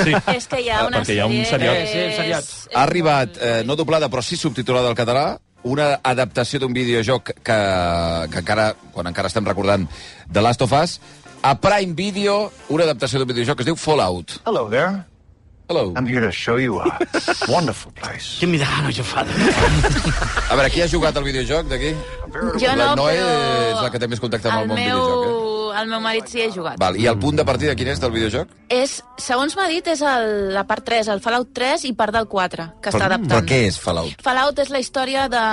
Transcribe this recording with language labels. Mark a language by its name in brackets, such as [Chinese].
[Catalan] Sí. És que hi ha una perquè sèrie... Perquè hi ha un seriot. Ha arribat, no doblada, però sí subtitulada al català, una adaptació d'un videojoc que encara, quan encara estem recordant, The Last of Us, a Prime Video, una adaptació d'un videojoc que es diu Fallout. [English] Hello there. Hello. I'm here to show you a wonderful place. Give me the hand of your father. [Catalan] A veure, qui ha jugat al videojoc d'aquí? Jo no, però... Noé és la que té més contacte amb el món videojoc, eh? El meu marit sí ha jugat. Val. I el punt de partida quin és del videojoc? És, segons m'ha dit, és la part 3, el Fallout 3 i part del 4, que està adaptant. Però què és Fallout? Fallout és la història de...